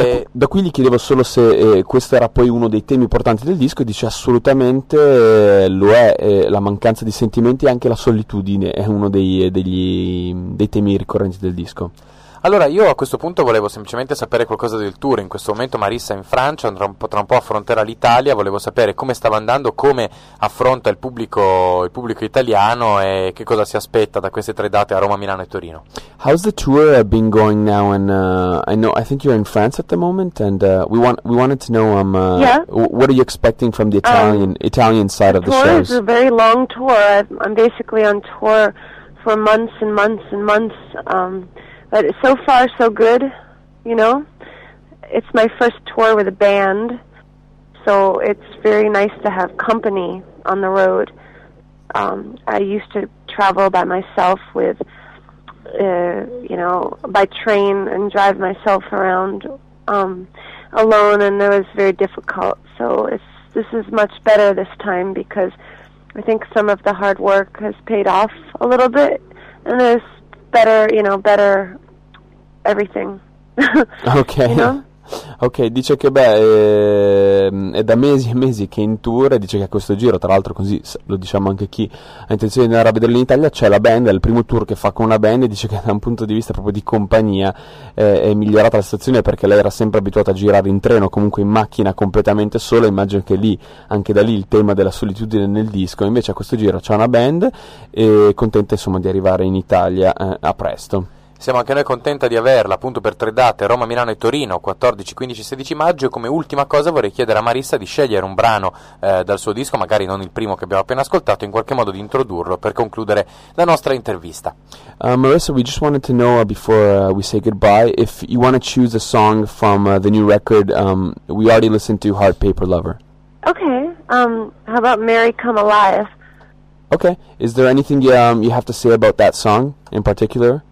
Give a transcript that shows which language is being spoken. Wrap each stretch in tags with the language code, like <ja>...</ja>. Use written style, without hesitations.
<it>Da qui gli chiedevo solo se questo era poi uno dei temi importanti del disco, e dice assolutamente lo è, la mancanza di sentimenti e anche la solitudine è uno dei temi ricorrenti del disco. Allora, io a questo punto volevo semplicemente sapere qualcosa del tour. In questo momento Marissa è in Francia, tra un po' affronterà l'Italia. Volevo sapere come stava andando, come affronta il pubblico italiano e che cosa si aspetta da queste tre date a Roma, Milano e Torino.</it> <en>How's the tour been going now? And I think you're in France at the moment, and we wanted to know what are you expecting from the Italian side of the shows? The tour is a very long tour. I'm basically on tour for months and months and months. But so far, so good, you know. It's my first tour with a band, so it's very nice to have company on the road. I used to travel by myself by train and drive myself around alone, and it was very difficult. So this is much better this time because I think some of the hard work has paid off a little bit, and it's better, you know, better... everything. Okay. You know?</en> <it>Ok, dice che è da mesi e mesi che è in tour, e dice che a questo giro, tra l'altro, così lo diciamo anche chi ha intenzione di andare a vedere in Italia, c'è la band, è il primo tour che fa con una band, e dice che da un punto di vista proprio di compagnia è migliorata la situazione, perché lei era sempre abituata a girare in treno, comunque in macchina completamente sola. Immagino che lì, anche da lì, il tema della solitudine nel disco. Invece a questo giro c'è una band e contenta, insomma, di arrivare in Italia. A presto. Siamo anche noi contenta di averla, appunto, per tre date, Roma, Milano e Torino, 14, 15, 16 maggio. Come ultima cosa vorrei chiedere a Marissa di scegliere un brano dal suo disco, magari non il primo che abbiamo appena ascoltato, in qualche modo di introdurlo per concludere la nostra intervista.</it> <en>Marissa, we just wanted to know before we say goodbye if you want to choose a song from the new record. We already listened to Hard Paper Lover. Okay, how about Mary Come Alive? Okay, is there anything you have to say about that song in particular?</en>